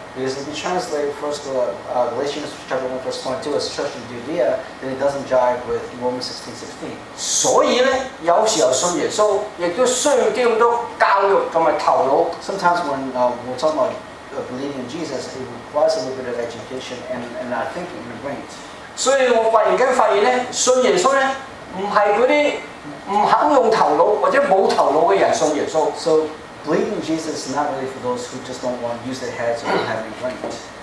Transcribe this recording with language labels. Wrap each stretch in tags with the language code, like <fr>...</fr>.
<en>Because if you translate First Galatians chapter 1 verse 22 as Church of Judea, then it doesn't jive with Romans 16:16.</en> <yue>所以呢，有時候信耶穌，亦都需要基督教育同埋頭腦。</yue> <en>Sometimes when we're talking about believing in Jesus, it requires a little bit of education and our thinking and brains.</en> <yue>所以我忽然間發現呢，信耶穌呢。唔係嗰啲唔肯用頭腦或者冇頭腦嘅人信耶穌。</yue> <en>So believing Jesus is not really for those who just don't want to use their heads or have any brains.</en>